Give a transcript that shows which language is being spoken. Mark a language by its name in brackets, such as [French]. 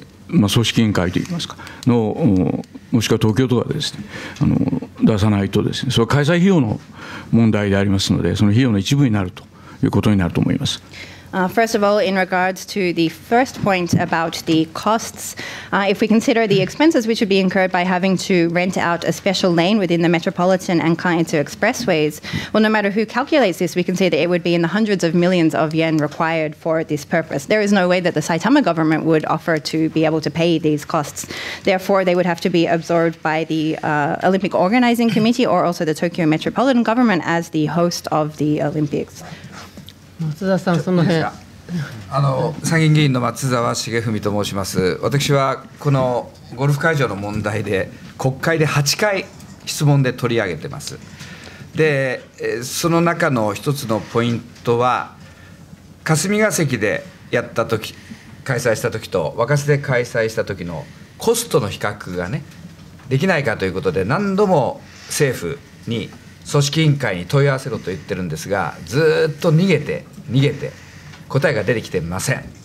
[Japanese] 組織委員会といいますかの、もしくは東京とかでですね、出さないとですね、それは開催費用の問題でありますので、その費用の一部になるということになると思います。 [English] First of all, in regards to the first point about the costs, if we consider the expenses which would be incurred by having to rent out a special lane within the Metropolitan and Kanetsu expressways, well, no matter who calculates this, we can say that it would be in the hundreds of millions of yen required for this purpose. There is no way that the Saitama government would offer to be able to pay these costs. Therefore, they would have to be absorbed by the Olympic Organizing Committee or also the Tokyo Metropolitan Government as the host of the Olympics. [Japanese] 松田さん、その辺。参議院議員の松沢重文と申します。私はこのゴルフ会場の問題で国会で8回質問で取り上げてます。でその中の一つのポイントは、霞が関でやった時、開催した時と若洲で開催した時のコストの比較がね、できないかということで、何度も政府に組織委員会に問い合わせろと言ってるんですが、ずっと逃げて逃げて答えが出てきてません。